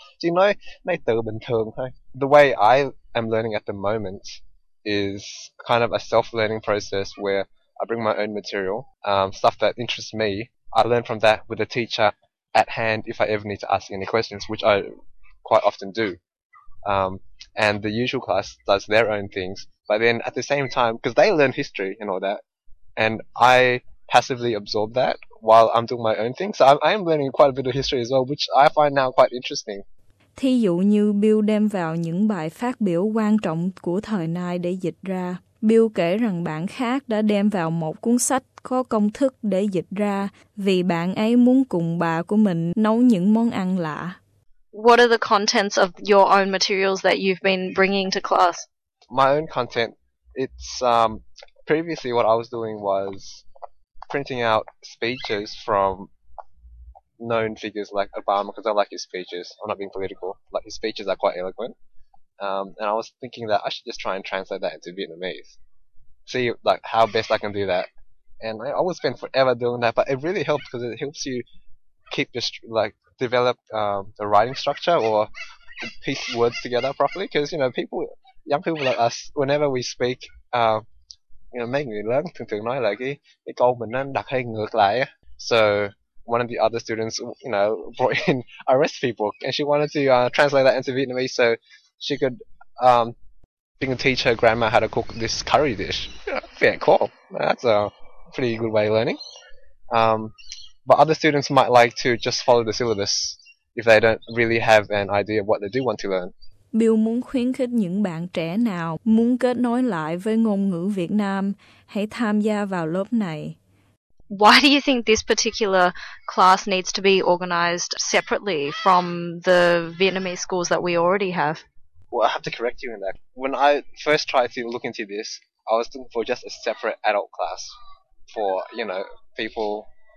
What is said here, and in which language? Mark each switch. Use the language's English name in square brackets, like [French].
[Vietnamese] Chỉ nói mấy từ bình thường thôi. [English] The way I am learning at the moment is kind of a self-learning process where I bring my own material, stuff that interests me. I learn from that with a teacher at hand if I ever need to ask any questions, which I quite often do. And the usual class does their own things. But then at the same time, because they learn history and all that, and I passively absorb that while I'm doing my own thing. So I am learning quite a bit of history as well, which I find now quite interesting. [Vietnamese] Thí dụ như Bill đem vào những bài phát biểu quan trọng của thời nay để dịch ra. Bill kể rằng bạn khác đã đem vào một cuốn sách có công thức để dịch ra vì bạn ấy muốn cùng bà của mình nấu những món ăn lạ. [English] What are the contents of your own materials that you've been bringing to class? My own content, it's previously what I was doing was printing out speeches from known figures like Obama, because I like his speeches. I'm not being political. Like, his speeches are quite eloquent. And I was thinking that I should just try and translate that into Vietnamese. See, like, how best I can do that. And I would spend forever doing that, but it really helps because it helps you keep your, develop the writing structure or piece words together properly. Because, you know, young people like us, whenever we speak, [Vietnamese] mấy người lớn thường thường nói là cái câu mình nên đặt hay ngược lại. [English] So one of the other students, you know, brought in a recipe book and she wanted to translate that into Vietnamese so she could teach her grandma how to cook this curry dish. Yeah, cool. That's a pretty good way of learning. But other students might like to just follow the syllabus if they don't really have an idea of what they do want to learn. [Vietnamese] Bill muốn khuyến khích những bạn trẻ nào muốn kết nối lại với ngôn ngữ Việt Nam, hãy tham gia vào lớp này. [English] Why do you think this particular class needs to be organized separately from the Vietnamese schools that we already have? Well, I have to correct you in that. When I first tried to look into this, I was looking for just a separate adult class for, you know, people.